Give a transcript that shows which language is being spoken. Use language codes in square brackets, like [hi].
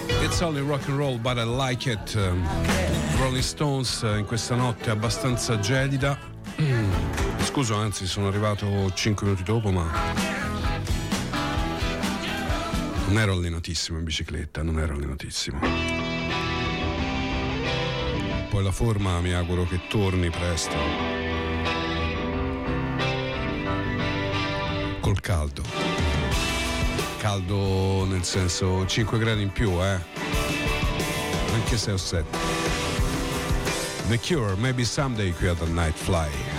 [en] Solid rock and roll, but I like it. [it] Rolling Stones in questa notte abbastanza gelida. Scuso, anzi, sono arrivato 5 minuti dopo, ma non ero allenatissimo in bicicletta, non ero allenatissimo. Poi la forma, mi auguro che torni presto. Col caldo. Caldo nel senso 5 gradi in più, anche se ho 7. [en] The Cure, Maybe Someday, [it] qui [en] at Nightfly.